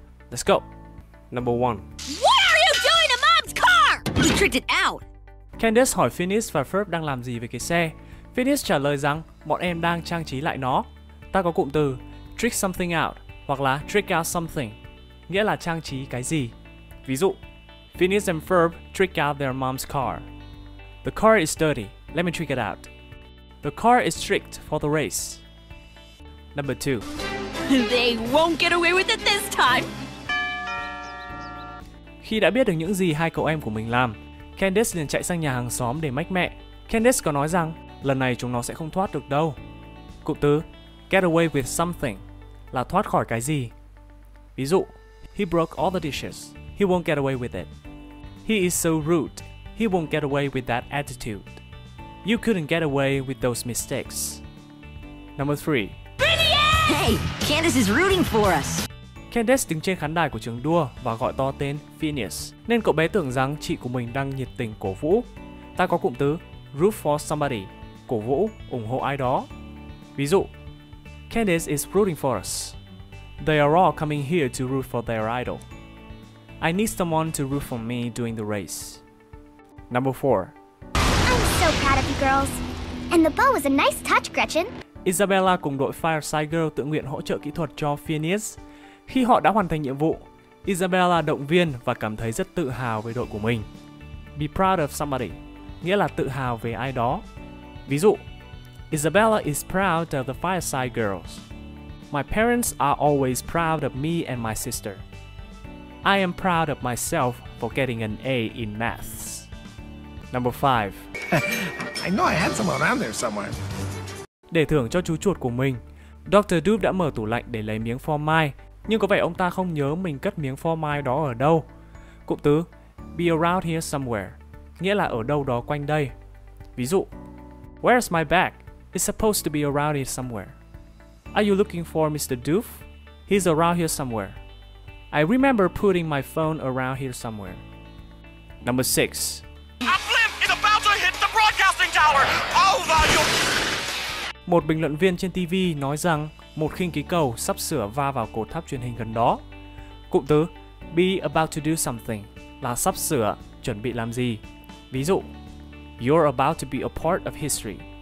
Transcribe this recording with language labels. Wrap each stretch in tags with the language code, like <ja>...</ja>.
<en>Let's go. Number 1. What are you doing in Mom's car? You tricked it out.</en> <vi>Candace hỏi Phineas và Ferb đang làm gì với cái xe. Phineas trả lời rằng bọn em đang trang trí lại nó. Ta có cụm từ</vi> <en>trick something out</en> <vi>hoặc là</vi> <en>trick out something,</en> <vi>nghĩa là trang trí cái gì. Ví dụ,</vi> <en>Phineas and Ferb trick out their mom's car. The car is dirty. Let me trick it out. The car is tricked for the race. Number 2. They won't get away with it this time.</en> <vi>Khi đã biết được những gì hai cậu em của mình làm, Candace liền chạy sang nhà hàng xóm để mách mẹ. Candace có nói rằng lần này chúng nó sẽ không thoát được đâu. Cụm từ</vi> <en>get away with something</en> <vi>là thoát khỏi cái gì. Ví dụ,</vi> <en>he broke all the dishes. He won't get away with it. He is so rude. He won't get away with that attitude. You couldn't get away with those mistakes. Number 3. Phineas! Hey, Candace is rooting for us.</en> <vi>Candace đứng trên khán đài của trường đua và gọi to tên Phineas, nên cậu bé tưởng rằng chị của mình đang nhiệt tình cổ vũ. Ta có cụm từ</vi> <en>root for somebody,</en> <vi>cổ vũ, ủng hộ ai đó. Ví dụ,</vi> <en>Candace is rooting for us. They are all coming here to root for their idol. I need someone to root for me during the race. Number 4. I'm so proud of you girls. And the bow was a nice touch, Gretchen.</en> <vi>Isabella cùng đội Fireside Girl tự nguyện hỗ trợ kỹ thuật cho Phineas. Khi họ đã hoàn thành nhiệm vụ, Isabella động viên và cảm thấy rất tự hào về đội của mình.</vi> <en>Be proud of somebody,</en> <vi>nghĩa là tự hào về ai đó. Ví dụ,</vi> <en>Isabella is proud of the Fireside Girls. My parents are always proud of me and my sister. I am proud of myself for getting an A in maths. Number 5. I know I had some around there somewhere.</en> <vi>Để thưởng cho chú chuột của mình, Dr. Doop đã mở tủ lạnh để lấy miếng phô mai, nhưng có vẻ ông ta không nhớ mình cất miếng phô mai đó ở đâu. Cụm từ</vi> <en>be around here somewhere,</en> <vi>nghĩa là ở đâu đó quanh đây. Ví dụ,</vi> <en>where's my bag? It's supposed to be around here somewhere. Are you looking for Mr. Doof? He's around here somewhere. I remember putting my phone around here somewhere. Number 6. A blimp is about to hit the broadcasting tower. Over you.</en> <vi>Một bình luận viên trên TV nói rằng một khinh khí cầu sắp sửa va vào cột tháp truyền hình gần đó. Cụm từ</vi> <en>be about to do something</en> <vi>là sắp sửa, chuẩn bị làm gì. Ví dụ,</vi> <en>you're about to be a part of history.</en>